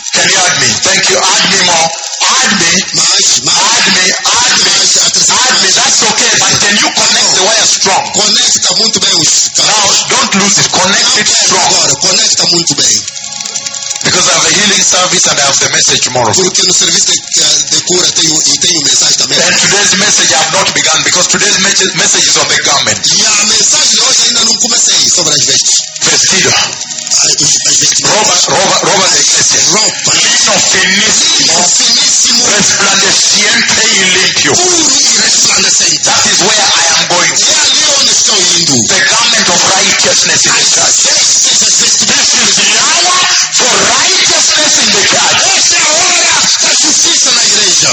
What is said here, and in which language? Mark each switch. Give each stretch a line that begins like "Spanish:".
English: Can you add me? Thank you. Add me more. Add me.
Portuguese: Mais.
English: That's okay. But can you connect the wire strong?
Portuguese: Conecta muito bem os cabos.
English: Now, don't lose it. Connect it strong.
Portuguese: Agora, conecta muito bem.
English: Because I have a healing service and I have the message tomorrow.
Portuguese: Porque no serviço de cura tenho mensagem também.
English: And today's message I have not begun because today's message is on the garment.
Portuguese: E a mensagem de hoje ainda não comecei sobre as vestes. Vestido.
Spanish: Roba de iglesia. Roba. Lino finíssimo. Lino finíssimo. Resplandeciente y limpio. Puro y resplandeciente.
English: That is where I am going.
Portuguese: É ali onde estou indo.
English: The garment of righteousness in the church. This is the hour for righteousness in the church.
Portuguese: Essa é a hora da justiça na igreja.